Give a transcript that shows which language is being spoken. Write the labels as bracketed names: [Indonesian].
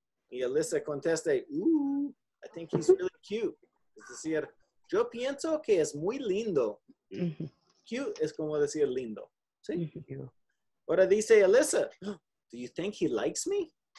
[Spanish] Y Alyssa contesta, ooh, [English] I think he's really cute. [Spanish] Es decir, yo pienso que es muy lindo. Cute es como decir lindo. ¿Sí? Ahora dice Alyssa, [English] do you think he likes me?